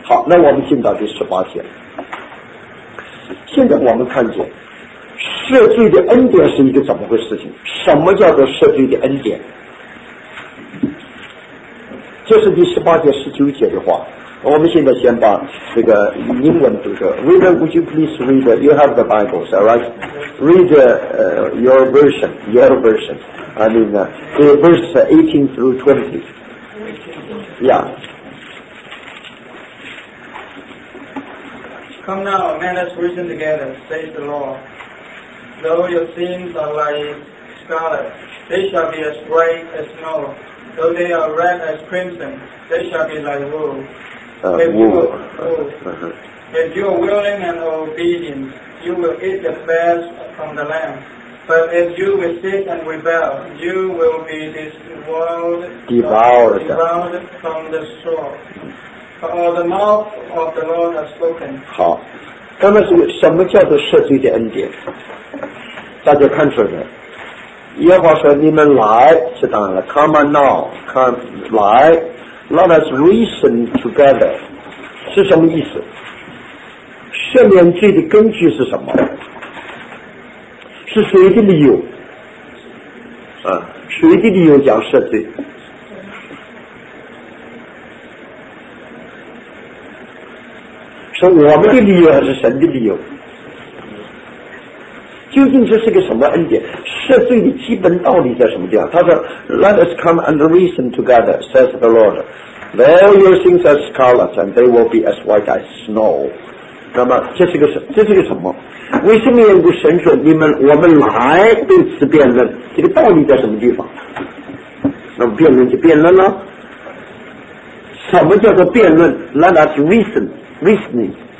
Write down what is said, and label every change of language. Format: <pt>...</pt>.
<zh>好，那我们进到第十八节，现在我们看见赦罪的恩典是一个怎么回事情？什么叫做赦罪的恩典？这是第十八节十九节的话。我们现在先把这个英文读着。</zh> <en>Reader, would you please read? You have the Bibles, alright? Read your version. Your version. I mean, the verse 18 through 20. Yeah. Come now, man, let's reason together, says the Lord. Though your sins are like scarlet, they shall be as white as snow. Though they are red as crimson, they shall be like wool. If you are willing and obedient, you will eat the flesh from the land. But if you resist and rebel, you will be this world devoured from the sword. The mouth of the Lord has spoken.</en> <zh>好，刚才是什么叫做赦罪的恩典？大家看出来没？耶和华说：“你们来，是当然了。</zh> <en>Come on now, come 来 ，Let us reason together。”</en> <zh>是什么意思？赦免罪的根据是什么？是谁的理由？啊，谁的理由讲赦罪？是我们的理由还是神的理由？究竟这是个什么恩典？赦罪的基本道理在什么地方？他说</zh> <en>Let us come and reason together, says the Lord. Though your sins are scarlet, and they will be as white as snow.</en> <zh>那么这是个什么？为什么有神说我们来对此辩论？这个道理在什么地方？那么辩论就辩论了。什么叫做辩论？</zh> <en>Let us reason, reasoning。</en>